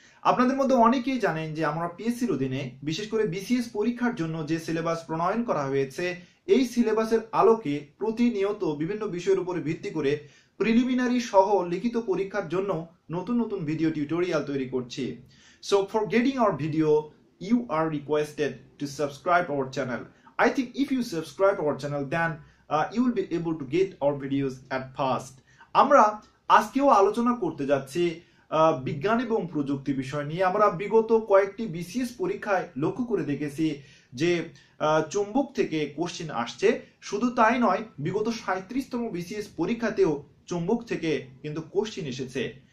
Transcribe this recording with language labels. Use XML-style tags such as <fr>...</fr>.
<bn>আপনাদের মধ্যে অনেকেই জানেন যে আমরা পিএসসির অধীনে বিশেষ করে বিসিএস পরীক্ষার জন্য যে সিলেবাস প্রণয়ন করা হয়েছে, এই সিলেবাসের আলোকে প্রতিনিয়ত বিভিন্ন বিষয়ের উপরে ভিত্তি করে প্রিলিমিনারি সহ লিখিত পরীক্ষার জন্য নতুন নতুন ভিডিও টিউটোরিয়াল তৈরি করছি।</bn> <en>So for getting our video you are requested to subscribe our channel. I think if you subscribe our channel, then you will be able to get our videos at first.</en> <bn>আমরা আজকেও আলোচনা করতে যাচ্ছি বিজ্ঞান এবং প্রযুক্তি বিষয় নিয়ে। আমরা বিগত কয়েকটি বিসিএস পরীক্ষায় লক্ষ্য করে দেখেছি যে চুম্বক থেকে কোশ্চিন আসছে। শুধু তাই নয়, বিগত 37তম বিসিএস পরীক্ষাতেও চুম্বক থেকে কিন্তু কোশ্চিন এসেছে।</bn>